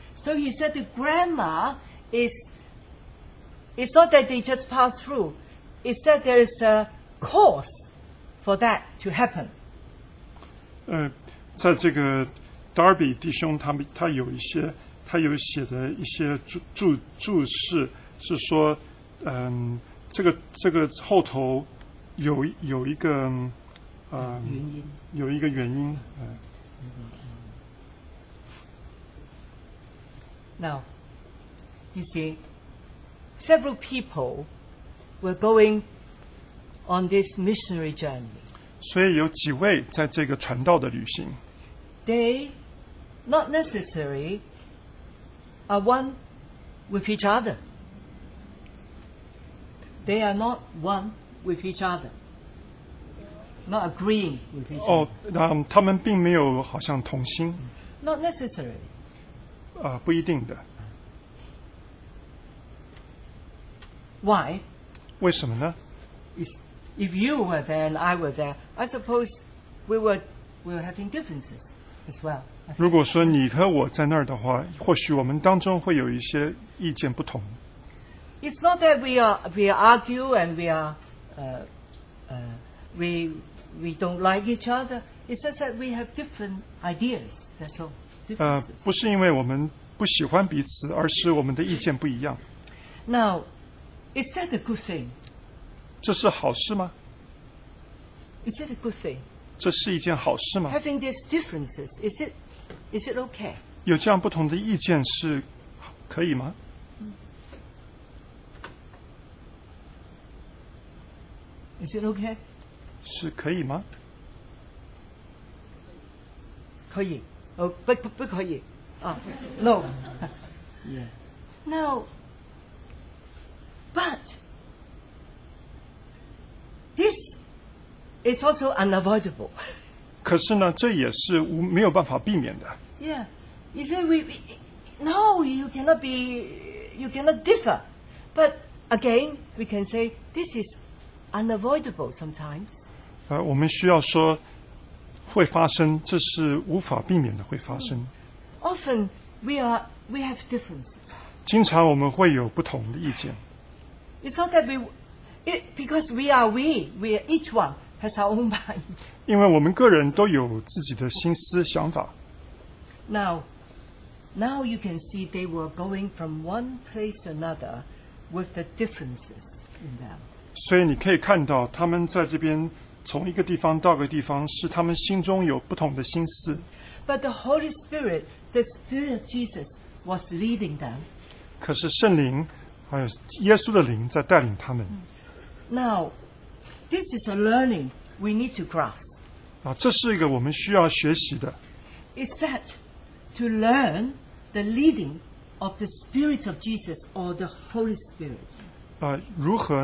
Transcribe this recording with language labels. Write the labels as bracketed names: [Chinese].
[English] So he said the grammar is, it's not that they just pass through, it's that there is a cause for that to happen. [Chinese] 在这个 Darby 弟兄他有一些注释是说这个后头有一个原因。 [English] Now, you see, several people were going on this missionary journey. [Chinese] 所以有几位在这个传道的旅行。 [English] They not necessary are one with each other. They are not one with each other. Not agreeing with each other. [Chinese] 他们并没有好像同心。 [English] Not necessary. [Chinese] 不一定的。 [English] Why? [Chinese] 为什么呢? [English] If you were there and I were there, I suppose we were having differences as well. [Chinese] 如果说你和我在那儿的话, 或许我们当中会有一些意见不同。 [English] It's not that we argue and we don't like each other. It's just that we have different ideas. That's all. [Chinese] 不是因为我们不喜欢彼此, 而是我们的意见不一样。 [English] Now, is that a good thing? [Chinese] 这是好事吗? [English] Is it a good thing? [Chinese] 这是一件好事吗? [English] Having these differences, is it okay? [Chinese] 有这样不同的意见是可以吗? [English] Is it okay? [Chinese] 是可以吗? 可以, 不可以。No. [English] Yeah. No. But this is also unavoidable. [Chinese] 可是呢, 这也是没有办法避免的。 [English] Yeah. You say you cannot differ. But again, we can say this is unavoidable sometimes. [Chinese] 我们需要说会发生, 这是无法避免的会发生。 [English] Often we have differences. [Chinese] 经常我们会有不同的意见。 [English] It's not that because we are each one has our own mind. [Chinese] 因为我们个人都有自己的心思想法。 [English] Now you can see they were going from one place to another with the differences in them. [Chinese] 所以你可以看到他们在这边从一个地方到个地方是他们心中有不同的心思。 [English] But the Spirit of Jesus was leading them. [Chinese] 可是圣灵, 耶稣的灵在带领他们。 [English] Now, this is a learning we need to grasp. [Chinese] 这是一个我们需要学习的。 [English] It's that to learn the leading of the Spirit of Jesus or the Holy Spirit.